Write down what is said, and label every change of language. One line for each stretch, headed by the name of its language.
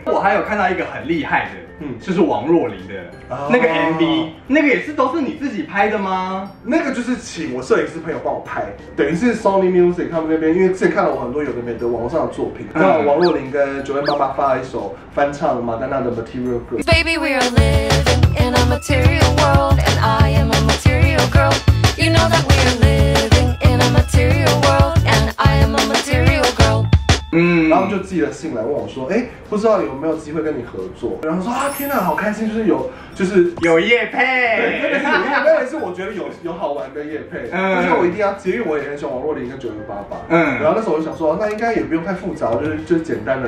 Chinese: 我还有看到一个很厉害。就是王若琳的那个 MV， 那个也是都是你自己拍的吗？那个就是请我摄影师朋友帮我拍，等于是 Sony Music 他们那边，因为之前看了我很多有的没的网络上的作品，然后王若琳跟九零八八发了一首翻唱马丹娜的 Material Girl。
English: Baby, we are living in a material world, and I am a material girl. You know that we are living in a material world, and I am a material girl.
Chinese: 然后就寄了信来问我说，哎，不知道有没有机会跟你合作？然后说啊，天哪，好开心，就是有业配，对，那是我觉得有好玩的业配，而且我一定要接，因为我也很喜欢王若琳跟九零八八，然后那时候我就想说，那应该也不用太复杂，就是简单的